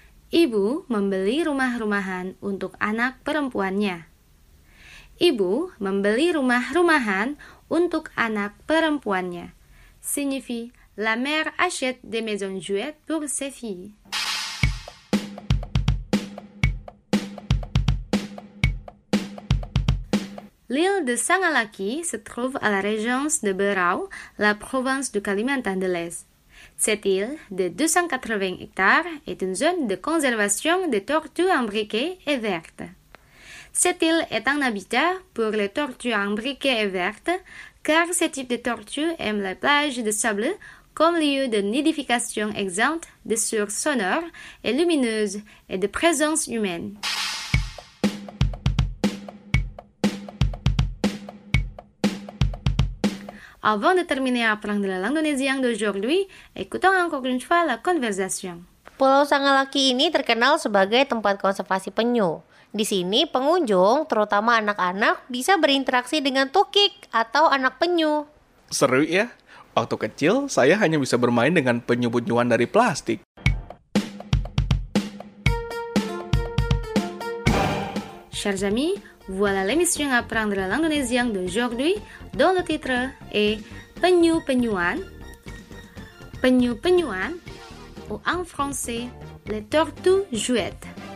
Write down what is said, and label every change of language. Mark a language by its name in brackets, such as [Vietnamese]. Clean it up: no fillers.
[Indonesian] Ibu membeli rumah-rumahan untuk anak perempuannya. Ibu membeli rumah-rumahan untuk anak perempuannya. [French] Signifie la mère achète des maisons jouettes pour ses filles. L'île de Sangalaki se trouve à la région de Berau, la province du Kalimantan de l'Est. Cette île de 280 hectares est une zone de conservation des tortues imbriquées et vertes. Cette île est un habitat pour les tortues imbriquées et vertes, car ce type de tortue aime les plages de sable comme lieu de nidification exempte de sources sonores et lumineuses et de présence humaine. Avant de terminer à apprendre la langue indonésienne d'aujourd'hui, écoutons encore une fois la conversation. [Indonesian] Pulau Sangalaki ini terkenal sebagai tempat konservasi penyu. Di sini, pengunjung, terutama anak-anak, bisa berinteraksi dengan tukik atau anak penyu. Seru ya. Waktu kecil, saya hanya bisa bermain dengan penyu-penyuan dari plastik. [French] Chers amis, voilà l'émission Apprendre la langue indonésienne d'aujourd'hui dont le titre est Penyu-penyuan. Penyu-penyuan, ou en français, les tortues jouettes.